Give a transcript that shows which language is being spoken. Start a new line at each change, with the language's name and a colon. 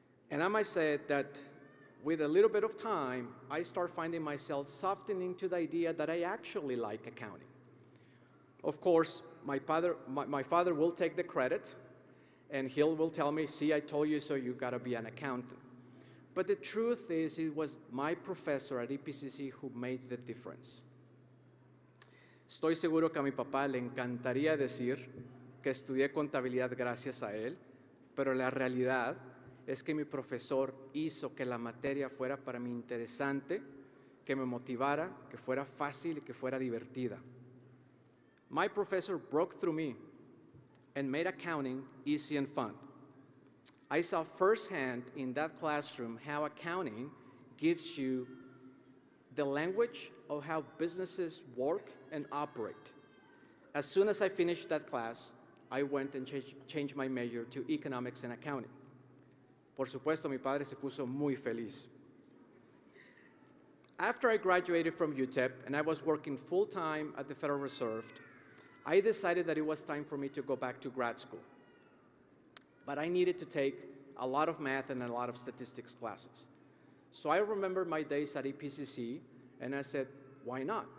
English: And I might say that with a little bit of time, I start finding myself softening to the idea that I actually like accounting. Of course, my father will take the credit, and he will tell me, see, I told you so, you gotta be an accountant. But the truth is, it was my professor at EPCC who made the difference.
Spanish: Estoy seguro que a mi papá le encantaría decir que estudié contabilidad gracias a él, pero la realidad es que mi profesor hizo que la materia fuera para mí interesante, que me motivara, que fuera fácil y que fuera divertida.
English: My professor broke through me and made accounting easy and fun. I saw firsthand in that classroom how accounting gives you the language of how businesses work and operate. As soon as I finished that class, I went and changed my major to economics and accounting.
Spanish: Por supuesto, mi padre se puso muy feliz.
English: After I graduated from UTEP and I was working full-time at the Federal Reserve, I decided that it was time for me to go back to grad school. But I needed to take a lot of math and a lot of statistics classes. So I remember my days at EPCC, and I said, why not?